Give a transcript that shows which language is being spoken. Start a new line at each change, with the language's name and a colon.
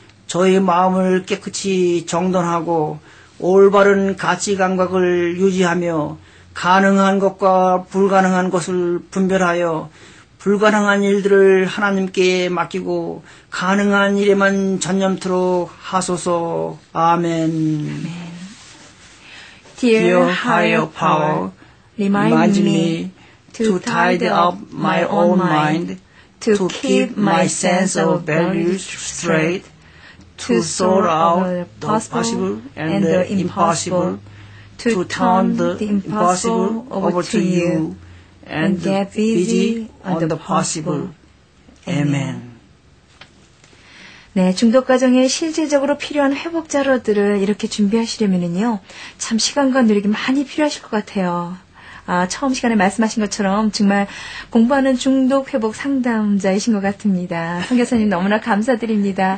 Korean: 저의 마음을 깨끗이 정돈하고 올바른 가치 감각을 유지하며 가능한 것과 불가능한 것을 분별하여 불가능한 일들을 하나님께 맡기고 가능한 일에만 전념토록 하소서. 아멘.
English: Dear higher power, remind me to tidy up my own mind, to keep my sense of values straight, to sort out the possible and the impossible, to turn the impossible over to you, and get busy on the possible. Amen.
Korean: 네, 중독 과정에 실질적으로 필요한 회복 자료들을 이렇게 준비하시려면요, 참 시간과 노력이 많이 필요하실 것 같아요. 아, 처음 시간에 말씀하신 것처럼 정말 공부하는 중독 회복 상담자이신 것 같습니다. 성 교수님 너무나 감사드립니다.